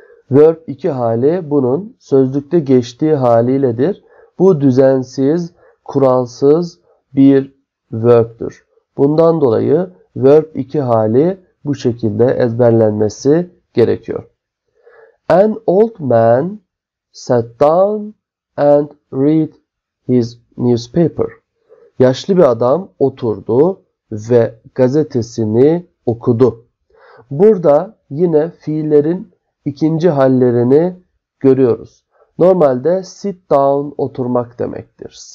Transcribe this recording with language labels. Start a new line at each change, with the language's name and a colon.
Turkish: Verb 2 hali bunun sözlükte geçtiği haliyledir. Bu düzensiz, kuralsız bir verb'dür. Bundan dolayı verb 2 hali bu şekilde ezberlenmesi gerekiyor.
English: An old man sat down and read his newspaper.
Turkish: Yaşlı bir adam oturdu ve gazetesini okudu. Burada yine fiillerin ikinci hallerini görüyoruz. Normalde sit down oturmak demektir.